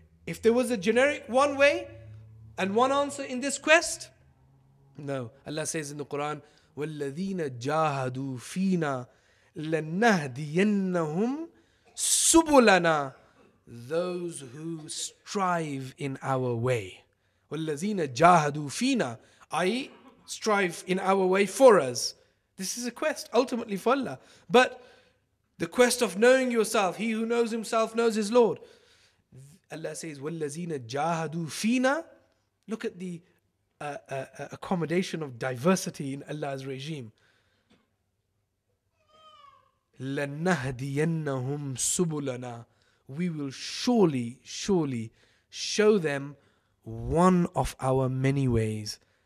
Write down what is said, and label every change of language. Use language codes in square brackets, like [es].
[en] If there was a generic one way and one answer in this quest, no. Allah says in the Quran, [ar] وَالَّذِينَ جَاهَدُوا فِينَا لَنَّهْدِيَنَّهُمْ سُبُلَنَا. [en] Those who strive in our way. [ar] وَالَّذِينَ جَاهَدُوا فِينَا, i.e. [en] strive in our way for us. This is a quest ultimately for Allah. But The quest of knowing yourself. He who knows himself knows his Lord. Allah says, [ar] وَالَّذِينَ جَاهَدُوا فِينَا. [en] Look at the accommodation of diversity in Allah's regime. [ar] لَنَّهْدِيَنَّهُمْ سُبُلَنَا. [en] We will surely, surely show them one of our many ways.